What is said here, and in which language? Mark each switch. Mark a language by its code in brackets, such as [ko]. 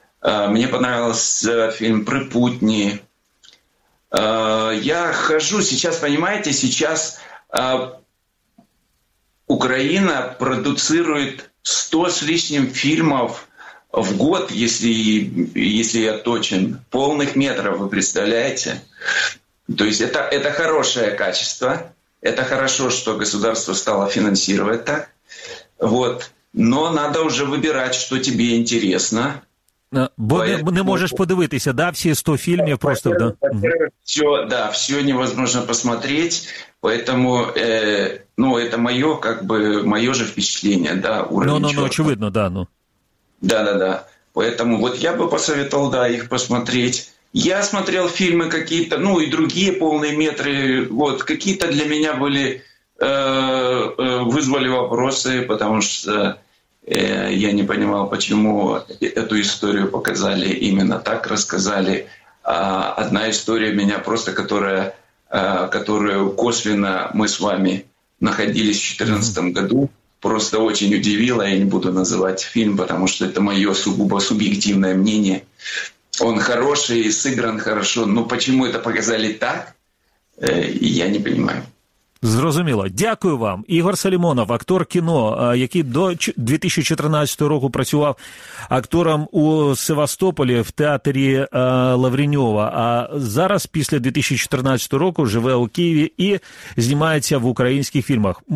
[ru] Мне понравился фильм «Припутни». Я хожу сейчас, понимаете, сейчас Украина продуцирует 100 с лишним фильмов в год, если я точен, полных метров, вы представляете? То есть это хорошее качество. Это хорошо, что государство стало финансировать так. Вот. Но надо уже выбирать, что тебе интересно. Бо поэтому... [uk] не можеш подивитися, да, всі 100 фільмів просто. [ru] Да. Все, да, все невозможно посмотреть, поэтому, ну, это моё, как бы, моё же впечатление, да, уровень чёрта. Ну, очевидно, да, ну. Да-да-да, поэтому вот я бы посоветовал, да, их посмотреть. Я смотрел фильмы какие-то, ну, и другие полные метры, вот, какие-то для меня были, вызвали вопросы, потому что... Я не понимал, почему эту историю показали именно так, рассказали. Одна история меня просто, которую косвенно мы с вами находились в 2014 году, просто очень удивила. Я не буду называть фильм, потому что это мое сугубо субъективное мнение. Он хороший, сыгран хорошо, но почему это показали так, я не понимаю. [uk] Зрозуміло. Дякую вам. Ігор Салімонов, актор кіно, який до 2014 року працював актором у Севастополі в театрі Лавріньова, а зараз після 2014 року живе у Києві і знімається в українських фільмах.